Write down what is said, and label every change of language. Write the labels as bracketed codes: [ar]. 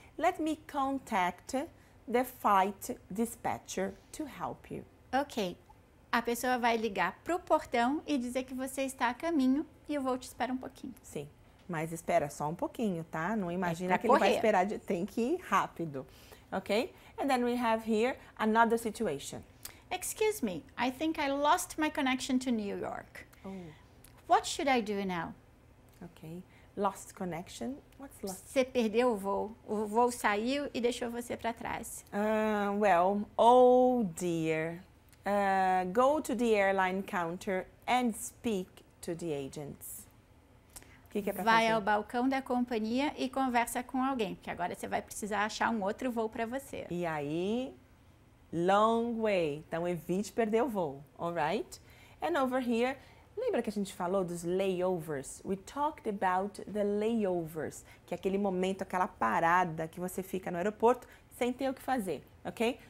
[en] Let me contact the flight dispatcher to help you. Okay. [pt] A pessoa vai ligar pro portão e dizer que você está a caminho e eu vou te esperar um pouquinho. Sim. Mas espera só um pouquinho, tá? Não imagina que ele vai esperar, tem que ir rápido. [en] Okay? And then we have here another situation. Excuse me, I think I lost my connection to New York. Oh. What should I do now? Okay. Lost connection? What's lost? [pt] Você perdeu o voo. O voo saiu e deixou você para trás. [en] Well, oh dear. Go to the airline counter and speak to the agents. [pt] Vai ao balcão da companhia e conversa com alguém, porque agora você vai precisar achar um outro voo para você. E aí, long way. Então, evite perder o voo, all right? And over here, lembra que a gente falou dos layovers? We talked about the layovers, que é aquele momento, aquela parada que você fica no aeroporto sem ter o que fazer, ok?